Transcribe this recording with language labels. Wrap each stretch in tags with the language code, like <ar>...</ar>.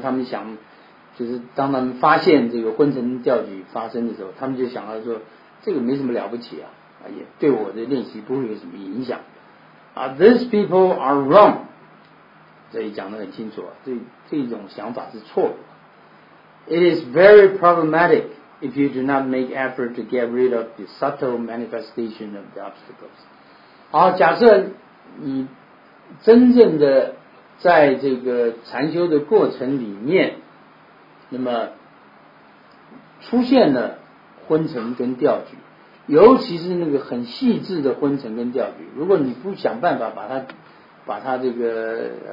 <zh>他们想，就是当他们发现这个昏沉调举发生的时候，他们就想到说，这个没什么了不起啊，也对我的练习不会有什么影响。</zh> <en>These people are wrong.</en> <zh>这里讲得很清楚啊，这种想法是错的。</zh> <en>It is very problematic if you do not make effort to get rid of the subtle manifestation of the obstacles.</en> <zh>好，假设你真正的在这个禅修的过程里面，那么出现了昏沉跟调举，尤其是那个很细致的昏沉跟调举，如果你不想办法把它这个</zh>